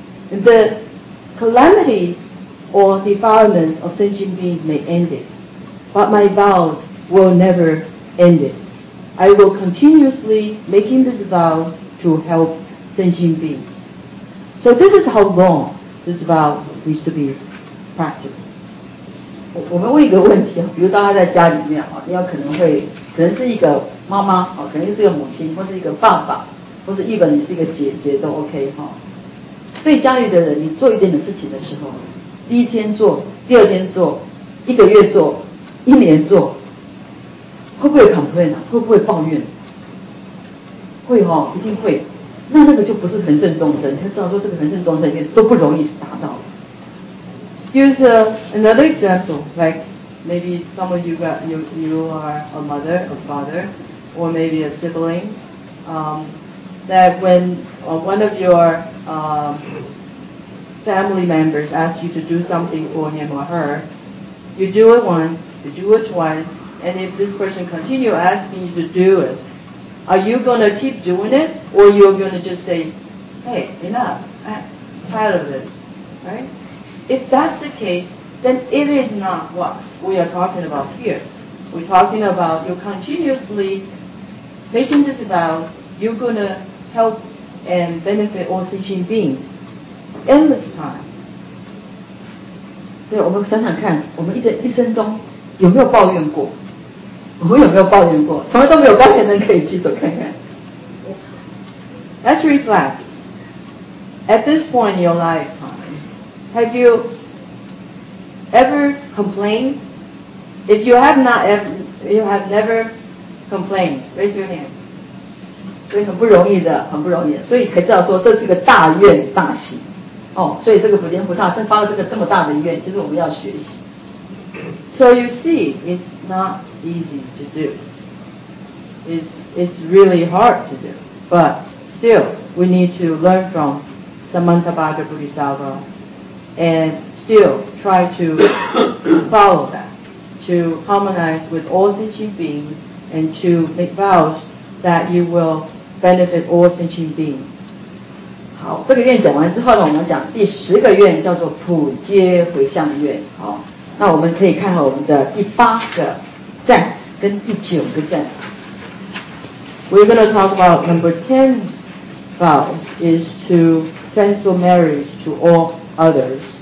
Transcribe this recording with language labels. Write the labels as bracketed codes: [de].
[en] The calamities or defilements of sentient beings may end it. But my vows will never end it. I will continuously making this vow to help sentient beings. So this is how long this vow needs to be practiced. [zh] 我们问一个问题，比如大家在家里面，你要可能是一个妈妈，哦，肯定是一个母亲，或是一个爸爸，或是一个你是一个姐姐都 OK 哈，哦。对家里的人，你做一点的事情的时候，第一天做，第二天做，一个月做，一年做，会不会 complain 啊？会不会抱怨？会哈，哦，一定会。那个就不是恒顺众生，他知道说这个恒顺众生也都不容易达到。 [en] Use another example, like. Maybe some of you are a mother, a father, or maybe a sibling. That when one of your family members asks you to do something for him or her, you do it once, you do it twice, and if this person continues asking you to do it, are you going to keep doing it, or you're going to just say, hey, enough, I'm tired of this, right? If that's the case,then it is not what we are talking about here. We're talking about you continuously making this vow, you're going to help and benefit all sentient beings endless time. [zh] 对，我们想想看，我们一生中有没有抱怨过？我们有没有抱怨过？从来都没有抱怨的人可以举手看看。 [en] Let's reflect. At this point in your life, have you ever complained? If you have not ever, you have never complained, raise your hand. [zh] 所以很不容易的，很不容易的。所以可以知道说，这是一个大愿大行。哦，所以这个普贤菩萨发了这个这么大的愿，其实我们要学习。 [en] So you see, it's not easy to do. It's really hard to do. But still, we need to learn from Samantabhadra Bodhisattva and still try to follow that, to harmonize with all sentient beings and to make vows that you will benefit all sentient beings. [zh] 好，这个愿讲完之后呢，我们讲第十个愿叫做普皆回向愿。好，那我们可以看好我们的第八个赞跟第九个赞。 [en] We're going to talk about number 10 vows is to transfer marriage to all others.